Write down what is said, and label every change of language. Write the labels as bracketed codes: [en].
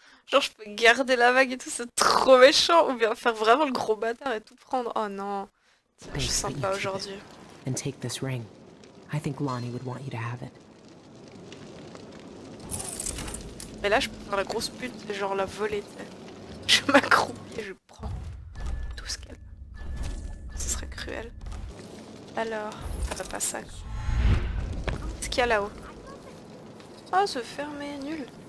[fr] Genre je peux garder la vague et tout, c'est trop méchant. Ou bien faire vraiment le gros bâtard et tout prendre. Oh non. Je suis sympa aujourd'hui. [en] And take this ring. I think Lonnie would want you to have it. [fr] Mais là je peux faire la grosse pute et genre la voler. T'sais. Je m'accroupis et je prends tout ce qu'elle a. Ce serait cruel. Alors, c'est pas ça. Qu'est-ce qu'il y a là-haut? Oh, se fermer, nul.